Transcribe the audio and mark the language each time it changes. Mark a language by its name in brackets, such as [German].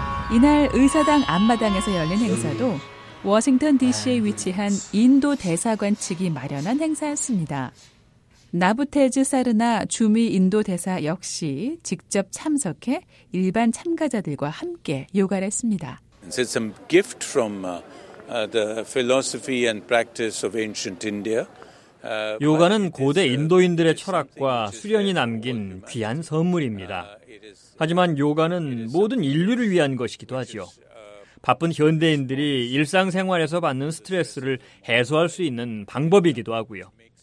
[Korean] 이날 의사당 앞마당에서 열린 행사도 워싱턴 DC에 위치한 인도 대사관 측이 마련한 행사였습니다. 나부테즈 사르나 주미 인도 대사 역시 직접 참석해 일반 참가자들과 함께 요가를 했습니다. [English] It's a gift from the philosophy and practice of ancient India. [Korean] 요가는 고대 인도인들의 철학과 수련이 남긴 귀한 선물입니다. 하지만 요가는 모든 인류를 위한 것이기도 하지요. 바쁜 현대인들이 일상생활에서 받는 스트레스를 해소할 수 있는 방법이기도 하고요.